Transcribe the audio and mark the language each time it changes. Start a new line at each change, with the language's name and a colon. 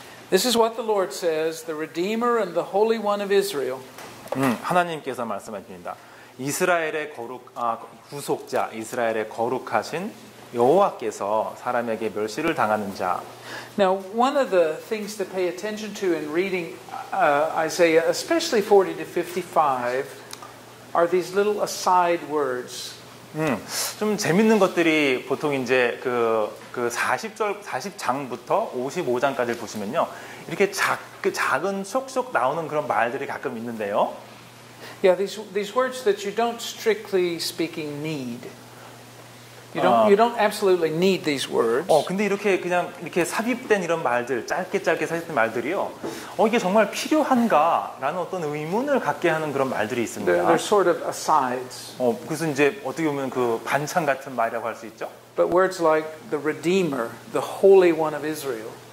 English: This is what the Lord says, the Redeemer and the Holy One of Israel.
Korean: 하나님께서 말씀하십니다. 이스라엘의 구속자, 이스라엘의 거룩하신 여호와께서 사람에게 멸시를 당하는 자.
English: Now, one of the things to pay attention to in reading Isaiah, especially 40 to 55, are these little aside words.
Korean: 좀 재밌는 것들이 보통 이제 그 40장부터 55장까지 보시면요. 이렇게 작은 속속 나오는 그런 말들이 가끔 있는데요.
English: Yeah, these words that you don't strictly speaking need. You don't absolutely need these words.
Korean: 어, 근데 이렇게 그냥 이렇게 삽입된 이런 말들, 짧게 삽입된 말들이요. 어, 이게 정말 필요한가라는 어떤 의문을 갖게 하는 그런 말들이 있습니다.
English: They're sort of asides.
Korean: 어, 그래서 이제 어떻게 보면 그 반찬 같은 말이라고 할 수 있죠.
English: But words like the Redeemer, the Holy One of Israel.